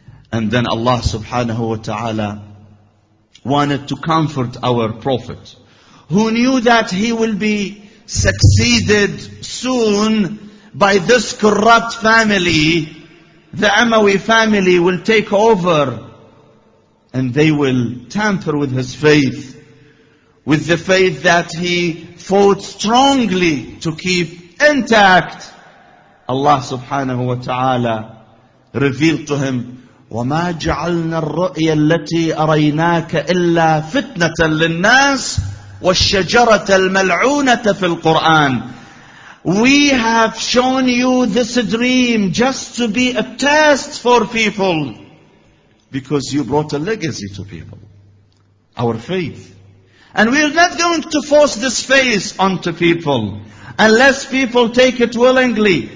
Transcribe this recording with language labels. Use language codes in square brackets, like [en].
[en] And then Allah subhanahu wa ta'ala wanted to comfort our Prophet, who knew that he will be succeeded soon by this corrupt family. The Amawi family will take over and they will tamper with his faith, with the faith that he fought strongly to keep intact. [ar] Allah subhanahu wa ta'ala [en] revealed to him, [ar] وَمَا جَعَلْنَا الرُّؤْيَا الَّتِي أَرَيْنَاكَ إِلَّا فِتْنَةً لِلنَّاسِ وَالشَّجَرَةَ الْمَلْعُونَةَ فِي الْقُرْآنِ. [en] We have shown you this dream just to be a test for people, because you brought a legacy to people, our faith. And we're not going to force this faith onto people unless people take it willingly.